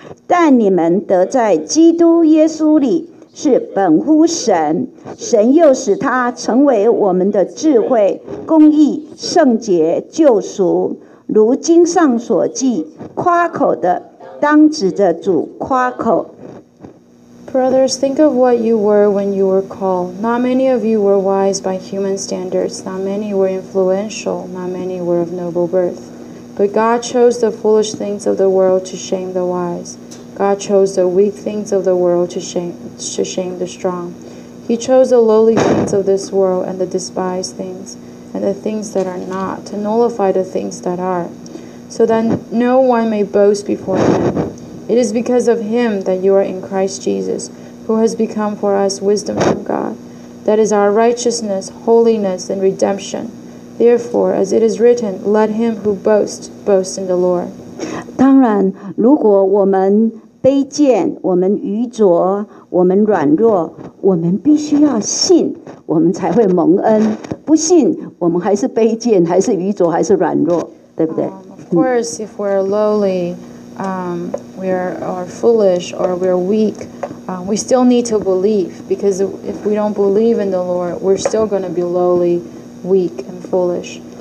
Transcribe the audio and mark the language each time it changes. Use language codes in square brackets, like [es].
[zh] 但你们得在基督耶稣里，是本乎神，神又使他成为我们的智慧、公义、圣洁、救赎。如经上所记，夸口的当指着主夸口。 [en] Brothers, think of what you were when you were called. Not many of you were wise by human standards. Not many were influential. Not many were of noble birth. But God chose the foolish things of the world to shame the wise. God chose the weak things of the world to shame the strong. He chose the lowly things of this world and the despised things. And the things that are not, to nullify the things that are, so that no one may boast before him. It is because of him that you are in Christ Jesus, who has become for us wisdom from God, that is our righteousness, holiness, and redemption. Therefore, as it is written, let him who boasts, boast in the Lord. [zh] 当然，如果我们卑贱，我们愚拙，我们软弱，我们必须要信，我们才会蒙恩。不信，我们还是卑贱，还是愚拙，还是软弱，对不对 [en] ？Of course, if we're lowly, we are foolish or we're weak, we still need to believe because if we don't believe in the Lord, we're still going to be lowly, weak and foolish.